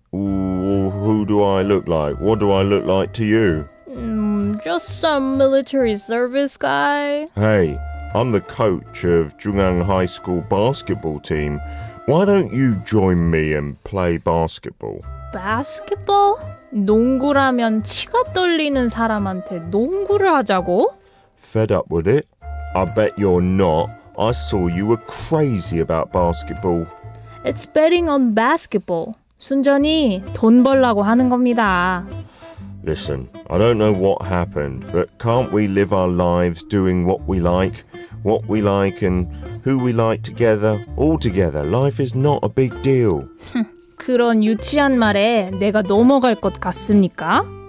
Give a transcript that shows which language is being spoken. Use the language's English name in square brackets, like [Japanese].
[English] Ooh, who do I look like? What do I look like to you? Just some military service guy. Hey, I'm the coach of Jungang High School basketball team. Why don't you join me and play basketball? Basketball? [Korean] 농구라면 치가 떨리는 사람한테 농구를 하자고? [English] Fed up with it? I bet you're not. I saw you were crazy about basketball. It's betting on basketball. [Korean] 순전히 돈 벌라고 하는 겁니다. [English] Listen, I don't know what happened, but can't we live our lives doing what we like and who we like together, all together? Life is not a big deal. [Korean] 그런 유치한 말에 내가 넘어갈 것 같습니까?